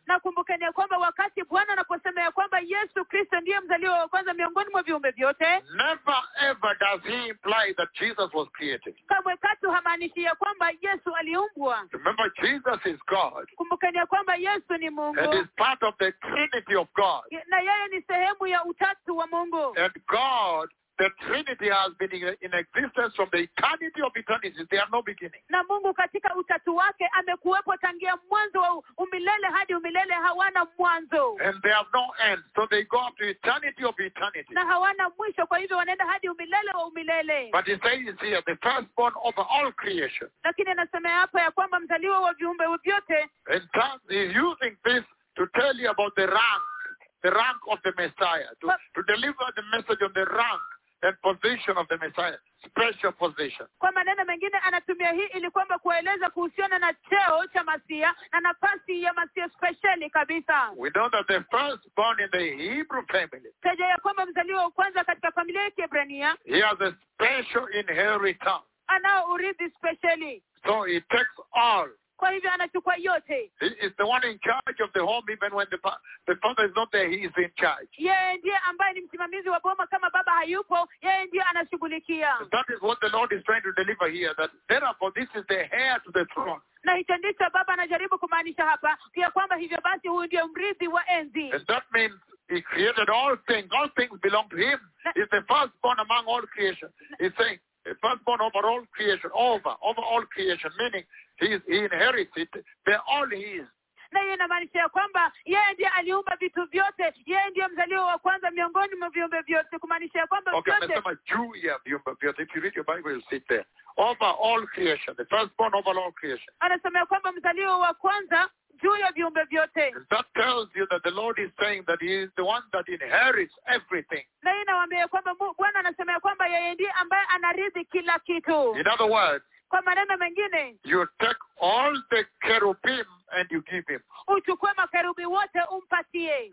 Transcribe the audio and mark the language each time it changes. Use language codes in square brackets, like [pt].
[sw] Na kumbukeni kwamba wakati Bwana anaposema ya kwamba Yesu Kristo ndiye mzaliwa wa kwanza miongoni mwa viumbe vyote. [en] Never ever does he imply that Jesus was created. [sw] Kamwe katu hamaanishi ya kwamba Yesu aliumbwa. [en] Remember Jesus is God. [sw] Kumbukeni kwamba Yesu ni Mungu. [en] And is part of the Trinity of God. [sw] Na yeye ni sehemu ya utatu wa Mungu. [en] And God, the Trinity has been in existence from the eternity of eternities. There are no beginning. [sw] Na Mungu katika utatu wake amekuwepo tangia mwanzo wa umilele hadi umilele, hawana mwanzo. [en] And they have no end. So they go up to eternity of eternity. [sw] Na hawana mwisho, kwa hivyo wanaenda hadi umilele wa umilele. [en] But he says here, the firstborn of all creation. [sw] Lakini anasema hapa ya kwamba mzaliwa wa viumbe vyote. [en] And thus he's using this to tell you about the rank of the Messiah, to deliver the message of the rank and position of the Messiah, special position. [sw] Kwa maneno mengine anatumia hii ili kwamba kueleza kuhusiana na cheo cha Masia na nafasi ya Masia speciali kabisa. [en] We know that the firstborn in the Hebrew family. [sw] Teja ya kwamba mzaliwa kwanza katika familia ya Kiebrania. [en] He has a special inheritance. [sw] Anao urithi speciali. [en] So he takes all. [sw] Kwa hivyo anachukua yote. [en] He is the one in charge of the home even when the father is not there, he is in charge. [sw] Yeye ndiye ambaye ni msimamizi wa boma kama baba hayupo, yeye ndiye anashughulikia. [en] That is what the Lord is trying to deliver here, that therefore this is the heir to the throne. [sw] Na hicho ndicho baba anajaribu kumaanisha hapa, ya kwamba hivyo basi huyu ndiye mrithi wa enzi. [en] And that means he created all things. All things belong to him. He is the firstborn among all creation. He's saying, firstborn over all creation, over all creation, meaning he inherits it, they're all his. [sw] Na hiyo inamaanisha kwamba yeye ndiye aliumba vitu vyote, yeye ndiye mzaliwa wa kwanza miongoni mwa viumbe vyote, kumaanisha kwamba vyote. Okay, nasema juu ya viumbe vyote, [en] if you read your Bible, you'll see there. Over all creation, the firstborn over all creation. [sw] Anasema kwamba mzaliwa wa kwanza juu ya viumbe vyote. [en] That tells you that the Lord is saying that he is the one that inherits everything. [sw] Na hiyo inamaanisha kwamba Bwana anasema kwamba yeye ndiye ambaye anarithi kila kitu. [en] In other words, [sw] kwa maneno mengine, [en] you take all the cherubim and you give him. [sw] Uchukue makerubi wote umpatie.